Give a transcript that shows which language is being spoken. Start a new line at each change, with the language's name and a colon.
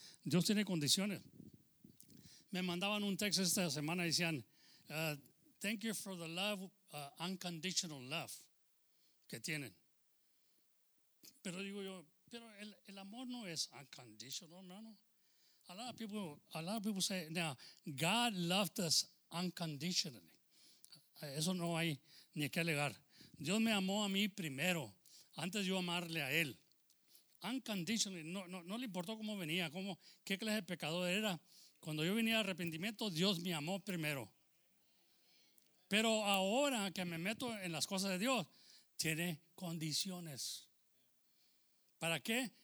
Spanish: Dios tiene condiciones. Me mandaban un texto esta semana, decían,
English: thank you for the love, unconditional love
Spanish: que tienen. Pero digo yo, pero el amor no es unconditional, hermano.
English: A lot of people say, now, God loved us unconditionally.
Spanish: Eso no hay ni que alegar. Dios me amó a mí primero, antes de yo amarle a Él. Unconditionally, no le importó cómo venía, cómo, qué clase de pecador era. Cuando yo venía a arrepentimiento, Dios me amó primero. Pero ahora que me meto en las cosas de Dios, tiene condiciones. ¿Para qué?